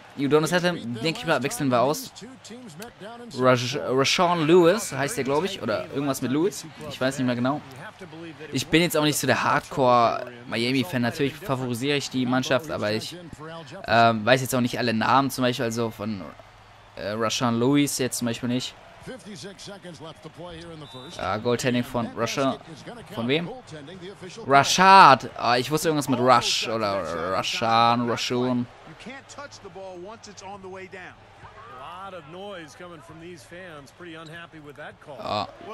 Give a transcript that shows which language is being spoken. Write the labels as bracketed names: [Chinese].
[German] Udonis Haslem, denke ich mal, wechseln wir aus. Rashawn Lewis heißt der, glaube ich, oder irgendwas mit Lewis. Ich weiß nicht mehr genau. Ich bin jetzt auch nicht so der Hardcore-Miami-Fan. Natürlich favorisiere ich die Mannschaft, aber ich weiß jetzt auch nicht alle Namen zum Beispiel, also von Rashawn Lewis jetzt zum Beispiel nicht. [English] 56 seconds left to play here in the first. [German] Goaltending von Rusher. Von wem? Rashad. Ich wusste irgendwas mit Rush oder Rashan, Rashun. [English] You can't touch the ball once it's on the way down. A lot of noise coming from these fans, pretty unhappy with that call.